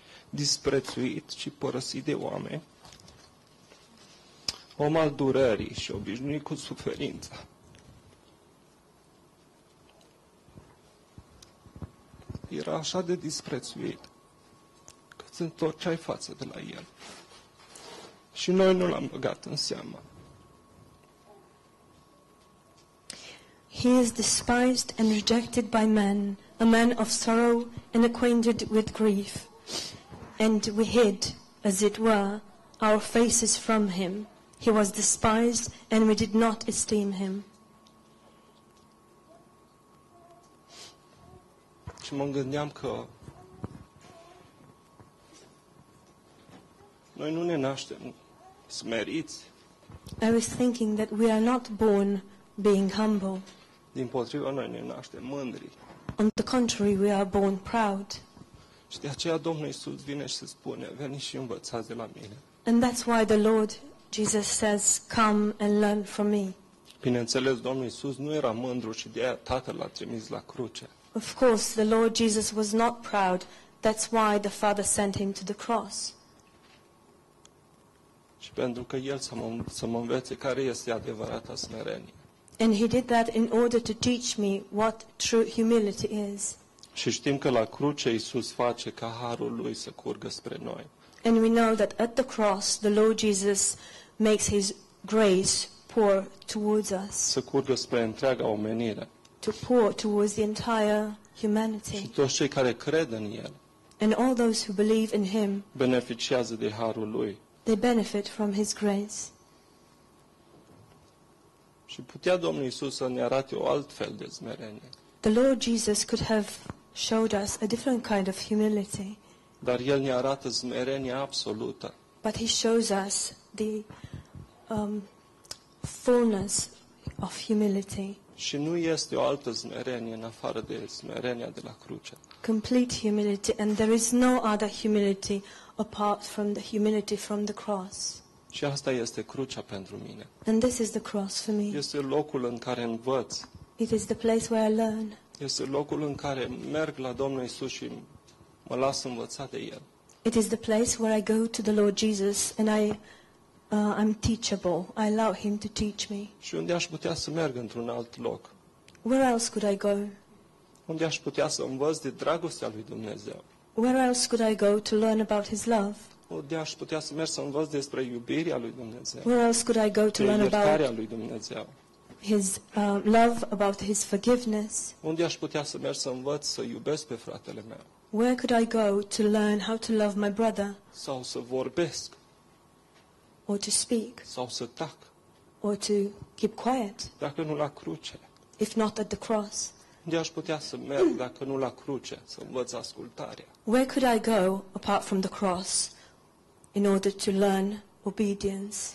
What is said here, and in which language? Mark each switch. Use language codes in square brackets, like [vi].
[ro] Disprețuit și părăsit de oameni, om al durerii și obișnuit cu suferința. Era așa de disprețuit că îți întorceai față de la el. Și noi nu l-am băgat în seamă. [en] He is despised and rejected by men, a man of sorrow and acquainted with grief. And we hid, as it were, our faces from him. He was despised and we did not esteem him. [ro] Și mă gândeam că noi nu ne naștem smeriți. [en] I was thinking that we are not born being humble. [ro] Dimpotrivă, noi ne naștem mândri. [en] On the contrary, we are born proud. [ro] Și de aceea Domnul Iisus vine și se spune, veni și învățați de la mine. [en] And that's why the Lord Jesus says, come and learn from me. [ro] Bineînțeles, Domnul Iisus nu era mândru și de aceea Tatăl l-a trimis la cruce. [en] Of course, the Lord Jesus was not proud. That's why the Father sent him to the cross. [ro] Și pentru că el să mă învețe care este adevărata smerenie. [en] And he did that in order to teach me what true humility is. [ro] Și știm că la cruce Iisus face ca harul lui să curgă spre noi. [en] And we know that at the cross the Lord Jesus makes his grace pour towards us. [ro] Să curgă spre întreaga omenire. [en] To pour towards the entire humanity. [ro] Și toți cei care cred în el. [en] And all those who believe in him. [ro] Beneficiază de harul lui. [en] They benefit from his grace. [ro] Și putea Domnul Iisus să ne arate o alt fel de smerenie. [en] The Lord Jesus could have showed us a different kind of humility. [ro] Dar el ne arată smerenia absolută. [en] But he shows us the fullness of humility. [ro] Și nu este o altă smerenie în afară de smerenia de la cruce. [en] Complete humility, and there is no other humility apart from the humility from the cross. [ro] Și asta este crucea pentru mine. [en] And this is the cross for me. [ro] Este locul în care învăț. [en] It is the place where I learn. [ro] Este locul în care merg la Domnul Iisus și mă las învățat de el. [en] It is the place where I go to the Lord Jesus and I'm teachable. I allow him to teach me. [ro] Și unde aș putea să merg într-un alt loc? [en] Where else could I go? [ro] Unde aș putea să învăț de dragostea lui Dumnezeu? [en] Where else could I go to learn about his love? [ro] Unde aș putea să merg să învăț despre iubirea lui Dumnezeu? [en] Where else could I go to learn about [ro] iertarea lui Dumnezeu? [en] His love, about his forgiveness. [ro] Unde aș putea să merg să învăț să iubesc pe fratele meu? [en] Where could I go to learn how to love my brother? [ro] Sau să vorbesc. [en] Or to speak. [ro] Sau să tac. [en] Or to keep quiet. [ro] Dacă nu la cruce. [en] If not at the cross. [ro] Unde aș putea să merg dacă nu la cruce, să învăț ascultarea? [en] Where could I go apart from the cross in order to learn obedience?